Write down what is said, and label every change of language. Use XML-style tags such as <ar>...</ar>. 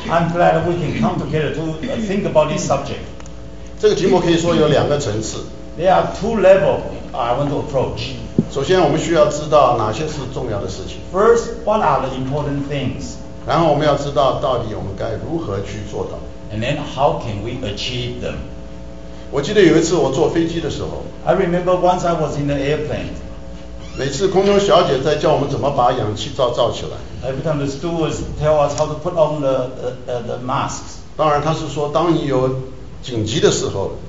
<en>I'm glad we can come together to think about this subject.</en> <zh>这个题目可以说有两个层次。</zh> <en>There are two levels I want to approach.</en> <zh>首先我们需要知道哪些是重要的事情。</zh> <en>First, what are the important things?</en> <zh>然后我们要知道到底我们该如何去做到。</zh> <en>And then how can we achieve them?</en> <zh>我记得有一次我坐飞机的时候。</zh> <en>I remember once I was in the airplane.</en> <zh>每次空中小姐在叫我们怎么把氧气罩罩起来。</zh> <en>Every time the stewards tell us how to put on the masks.</en> <zh>当然他是说当你有紧急的时候,</zh>